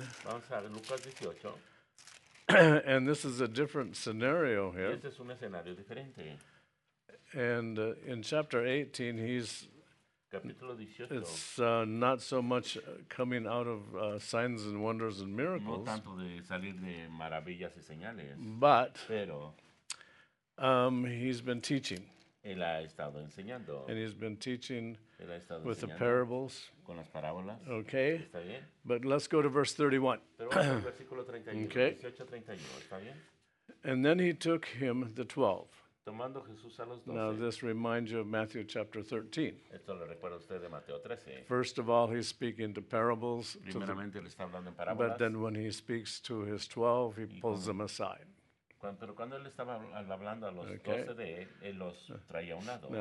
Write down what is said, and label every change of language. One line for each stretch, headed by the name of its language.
Spanish: Vamos a Lucas 18.
English: And this is a different scenario here.
Spanish: Y este es un escenario diferente.
English: And in chapter 18, he's.
Spanish: Capítulo 18.
English: It's not so much coming out of signs and wonders and miracles.
Spanish: No tanto de salir de maravillas y señales.
English: But.
Spanish: Pero.
English: He's been teaching.
Spanish: Él ha estado enseñando.
English: And he's been teaching.
Spanish: Él ha estado
English: with the parables.
Spanish: Con las parábolas.
English: Okay.
Spanish: Está bien.
English: But let's go to verse 31.
Spanish: Pero vamos al versículo 31.
English: Okay.
Spanish: 18-31. Está bien.
English: And then he took him the 12.
Spanish: Tomando Jesús a los 12.
English: Now this reminds you of Matthew chapter 13.
Spanish: Esto le recuerda a usted de Mateo 13.
English: First of all, he's speaking to parables.
Spanish: Primeramente le está hablando en parábolas.
English: But then when he speaks to his 12, he pulls them aside.
Spanish: Pero cuando él estaba hablando a los okay 12 de él, él los traía a un lado.